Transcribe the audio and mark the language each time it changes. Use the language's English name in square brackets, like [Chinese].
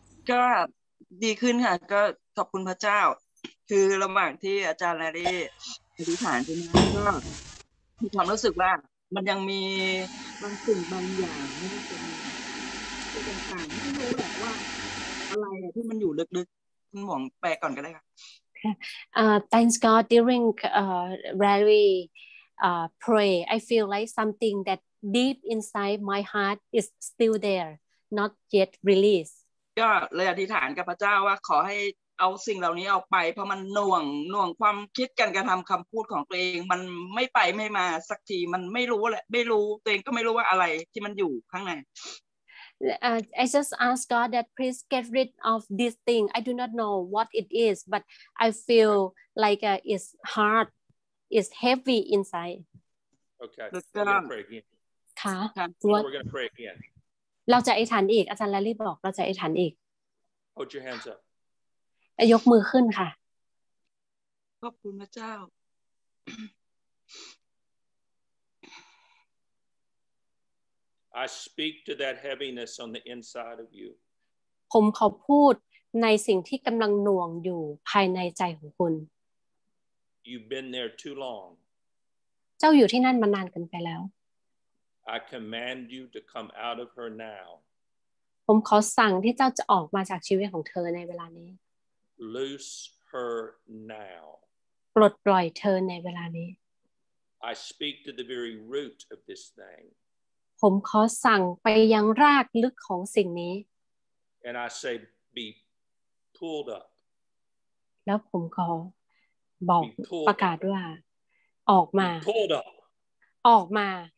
[Thai] ก็ดีขึ้นค่ะก็ขอบคุณพระเจ้าคือระหว่างที่อาจารย์แลรี่อธิษฐานใช่ไหมก็มีความรู้สึกว่ามันยังมีบางสิ่งบางอย่างไม่ได้เป็นต่างไม่รู้แหละว่าอะไรที่มันอยู่ลึกๆคุณหวงแปลก่อนก็ได้ค่ะ [English] Thanks God during rally pray I feel like something that deep inside my heart is still there not yet released [Thai] ก็เลยอธิษฐานกับพระเจ้าว่าขอให้เอาสิ่งเหล่านี้ออกไปเพราะมันหน่วงความคิดกันกระทำคำพูดของตัวเองมันไม่ไปไม่มาสักทีมันไม่รู้แหละไม่รู้ตัวเองก็ไม่รู้ว่าอะไรที่มันอยู่ข้างใน [English] I just ask God that please get rid of this thing I do not know what it is but I feel like it's hard it's heavy inside okay we're gonna pray again [Thai] ค่ะ [English] we're gonna pray again [Thai] เราจะอธิษฐานอีกอาจารย์แลรี่บอกเราจะอธิษฐานอีก [English] Put your hands up [Thai] ยกมือขึ้นค่ะ ขอบคุณพระเจ้า [English] I speak to that heaviness on the inside of you [Thai] ผมขอพูดในสิ่งที่กำลังหน่วงอยู่ภายในใจของคุณ [English] You've been there too long [Thai] เจ้าอยู่ที่นั่นมานานเกินไปแล้ว [English] I command you to come out of her now. [Thai] ผมขอสั่งที่เจ้าจะออกมาจากชีวิตของเธอในเวลานี้ [English] Loose her now. [Thai] ปลดปล่อยเธอในเวลานี้ [English] I speak to the very root of this thing. [Thai] ผมขอสั่งไปยังรากลึกของสิ่งนี้ [English] And I say be pulled up. [Thai] แล้วผมขอบอกประกาศว่าออกมา [English] Pulled up. [Thai] ออกมา